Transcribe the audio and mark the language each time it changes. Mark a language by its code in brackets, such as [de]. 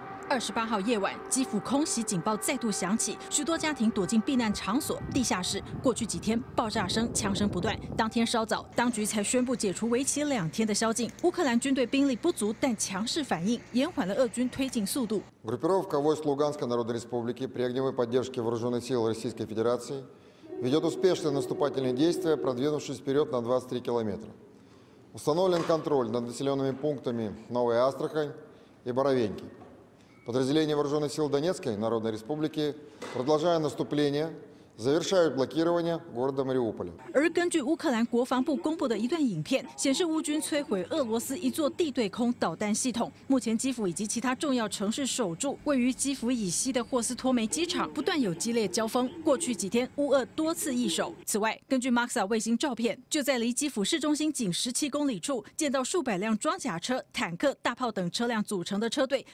[zh] 28号夜晚，基辅空袭警报再度响起，许多家庭躲进避难场所、地下室。过去几天，爆炸声、枪声不断。当天稍早，当局才宣布解除为期2天的宵禁。乌克兰军队兵力不足，但强势反应延缓了俄军推进速度。 [ru] Группировка войск Луганской Народной Республики при огневой поддержке вооруженных сил Российской Федерации ведет успешные наступательные действия, продвинувшись вперед на 23 километра. Установлен контроль над населенными пунктами Новая Астрахань и Боровеньки. Подразделения вооруженных сил Донецкой Народной Республики, продолжая наступление, завершают блокирование города Мариуполя. [zh] 而根据乌克兰国防部公布的一段影片，显示乌军摧毁俄罗斯一座地对空导弹系统。目前基辅以及其他重要城市守住，位于基辅以西的霍斯托梅机场不断有激烈交锋。过去几天，乌俄多次易手。此外，根据 Maxar 卫星照片，就在离基辅市中心仅17公里处，见到数百辆装甲车、坦克、大炮等车辆组成的车队。